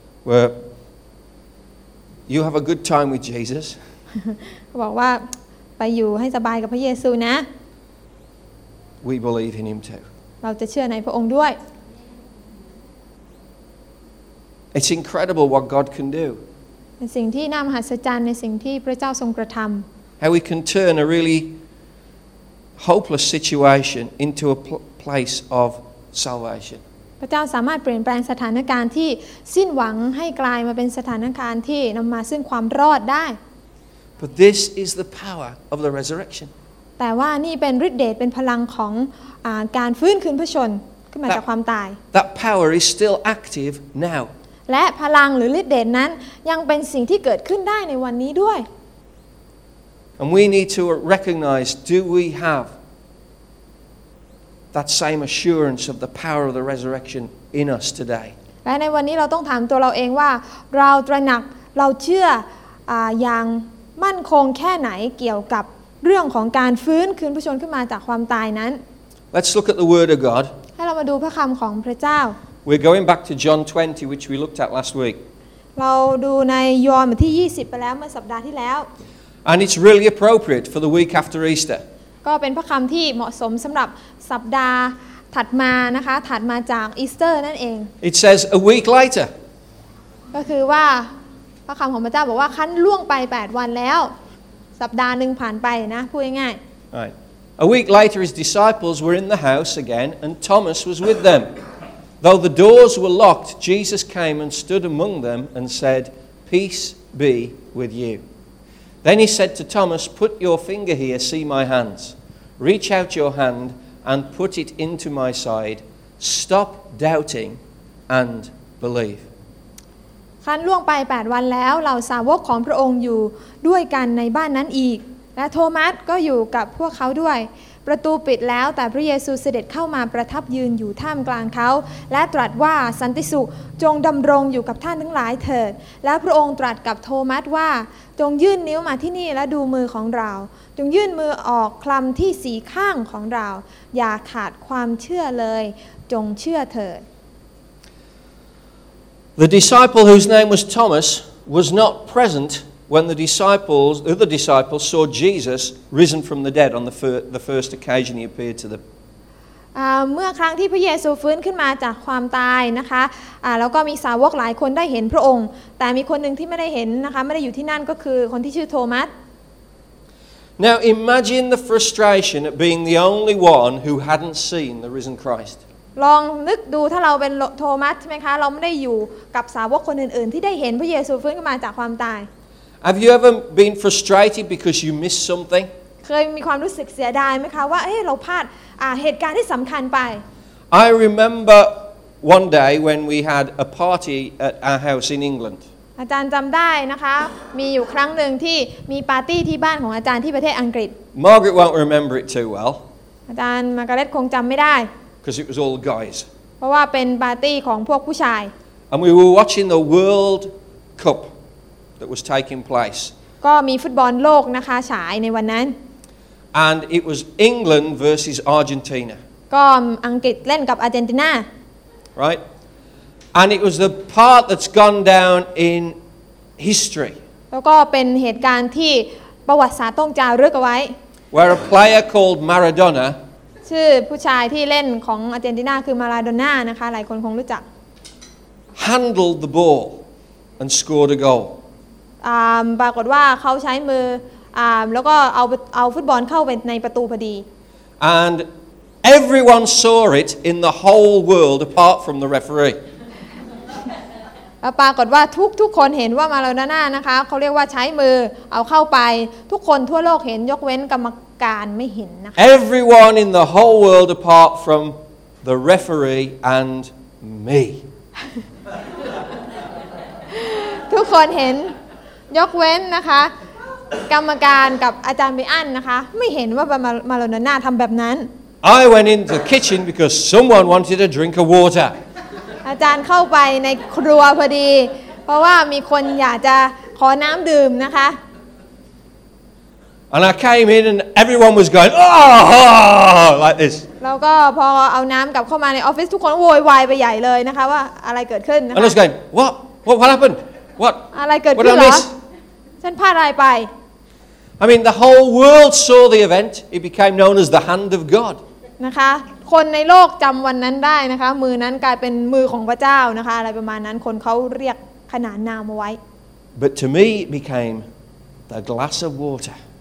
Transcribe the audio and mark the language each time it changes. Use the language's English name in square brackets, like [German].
[English] Well you have a good time with Jesus [Thai] บอกว่าไปอยู่ให้สบายกับพระเยซูนะ [English] We believe in him too. [Thai] เราจะเชื่อในพระองค์ด้วย [English] It's incredible what God can do. [Thai] เป็นสิ่งที่น่ามหัศจรรย์ในสิ่งที่พระเจ้าทรงกระทำ [English] How we can turn a really hopeless situation into a place of salvation. [Thai] พระเจ้าสามารถเปลี่ยนแปลงสถานการณ์ที่สิ้นหวังให้กลายมาเป็นสถานการณ์ที่นำมาซึ่งความรอดได้ [English] But this is the power of the resurrection. [Thai] แต่ว่านี่เป็นฤทธิ์เดชเป็นพลังของการฟื้นคืนพระชนขึ้นมาจากความตาย [English] That power is still active now [Thai] และพลังหรือฤทธิ์เดชนั้นยังเป็นสิ่งที่เกิดขึ้นได้ในวันนี้ด้วย [English] And we need to recognize do we have that same assurance of the power of the resurrection in us today [Thai] และในวันนี้เราต้องถามตัวเราเองว่าเราตระหนักเราเชื่ออย่างมั่นคงแค่ไหนเกี่ยวกับเรื่องของการฟื้นคืนผู้ชนขึ้นมาจากความตายนั้น [English] Let's look at the word of God [Thai] ให้เรามาดูพระคำของพระเจ้า [English] We're going back to John 20 which we looked at last week [Thai] เราดูในยอห์นบทที่20ไปแล้วเมื่อสัปดาห์ที่แล้ว [English] And it's really appropriate for the week after Easter [Thai] ก็เป็นพระคำที่เหมาะสมสำหรับสัปดาห์ถัดมานะคะถัดมาจากอีสเตอร์นั่นเอง [English] It says a week later [Thai] ก็คือว่าพระคำของพระเจ้าบอกว่าคั้นล่วงไป8วันแล้วสัปดาห์หนึ่งผ่านไปนะพูดง่าย [English] ๆ Right. A week later, his disciples were in the house again, and Thomas was with them. Though the doors were locked, Jesus came and stood among them and said, "Peace be with you." Then he said to Thomas, "Put your finger here, see my hands. Reach out your hand and put it into my side. Stop doubting and believe." [Thai] คันล่วงไป8วันแล้วเหล่าสาวกของพระองค์อยู่ด้วยกันในบ้านนั้นอีกและโทมัสก็อยู่กับพวกเขาด้วยประตูปิดแล้วแต่พระเยซูเสด็จเข้ามาประทับยืนอยู่ท่ามกลางเขาและตรัสว่าสันติสุขจงดำรงอยู่กับท่านทั้งหลายเถิดและพระองค์ตรัสกับโทมัสว่าจงยื่นนิ้วมาที่นี่และดูมือของเราจงยื่นมือออกคลำที่สีข้างของเราอย่าขาดความเชื่อเลยจงเชื่อเถิด [English] The disciple whose name was Thomas was not present when the other disciples saw Jesus risen from the dead on the first occasion he appeared to them. [Thai] เมื่อครั้งที่พระเยซูฟื้นขึ้นมาจากความตายนะคะแล้วก็มีสาวกหลายคนได้เห็นพระองค์แต่มีคนหนึ่งที่ไม่ได้เห็นนะคะไม่ได้อยู่ที่นั่นก็คือคนที่ชื่อโทมัส [English] Now imagine the frustration at being the only one who hadn't seen the risen Christ. [Thai] ลองนึกดูถ้าเราเป็นโทมัสใช่ไหมคะเราไม่ได้อยู่กับสาวกคนอื่นๆที่ได้เห็นพระเยซูฟื้นขึ้นมาจากความตาย [English] Have you ever been frustrated because you missed something? [Thai] เคยมีความรู้สึกเสียดายไหมคะว่าเราพลาดเหตุการณ์ที่สำคัญไป [English] I remember one day when we had a party at our house in England. [Thai] อาจารย์จำได้นะคะมีอยู่ครั้งหนึ่งที่มีปาร์ตี้ที่บ้านของอาจารย์ที่ประเทศอังกฤษ [English] Margaret won't remember it too well. [Thai] อาจารย์มาการ์เร็ตคงจำไม่ได้ [English] Because it was all guys. [Thai] เพราะว่าเป็นปาร์ตี้ของพวกผู้ชาย [English] And we were watching the World Cup that was taking place. [Thai] ก็มีฟุตบอลโลกนะคะฉายในวันนั้น [English] And it was England versus Argentina. [Thai] ก็อังกฤษเล่นกับอาร์เจนตินา [English] Right? And it was the part that's gone down in history. [Thai] แล้วก็เป็นเหตุการณ์ที่ประวัติศาสตร์ต้องจารึกเอาไว้ [English] Where a player called Maradona. [Thai] ชื่อผู้ชายที่เล่นของอาร์เจนตินาคือมาราโดน่านะคะหลายคนคงรู้จัก [English] Handled the ball and scored a goal [Thai] ปรากฏว่าเขาใช้มือแล้วก็เอาฟุตบอลเข้าไปในประตูพอดี [English] And Everyone saw it in the whole world apart from the referee. [Thai] ปรากฏว่าทุกคนเห็นว่ามาโลน่านะคะเขาเรียกว่าใช้มือเอาเข้าไปทุกคนทั่วโลกเห็นยกเว้นกรรมการไม่เห็นนะคะ [English] Everyone in the whole world apart from the referee and me. [Thai] ทุกคนเห็นยกเว้นนะคะกรรมการกับอาจารย์บิอันนะคะไม่เห็นว่ามาโลน่าทำแบบนั้น [English] I went into the kitchen because someone wanted a drink of water. [Thai] อาจารย์เข้าไปในครัวพอดีเพราะว่ามีคนอยากจะขอน้ำดื่มนะคะ [English] And I came in and everyone was going oh like this [Thai] แล้วก็พอเอาน้ำกลับเข้ามาในออฟฟิศทุกคนโวยวายไปใหญ่เลยนะคะว่าอะไรเกิดขึ้นนะคะ [English] And I was going what happened what [Thai] อะไรเกิดขึ้นเหรอฉันพลาดอะไรไป [English] I mean the whole world saw the event it became known as the hand of God [Thai] นะคะคนในโลกจำวันนั้นได้นะคะมือนั้นกลายเป็นมือของพระเจ้านะคะอะไรประมาณนั้นคนเขาเรียกขนานนามเอาไว้ [English] But to me it became the glass of water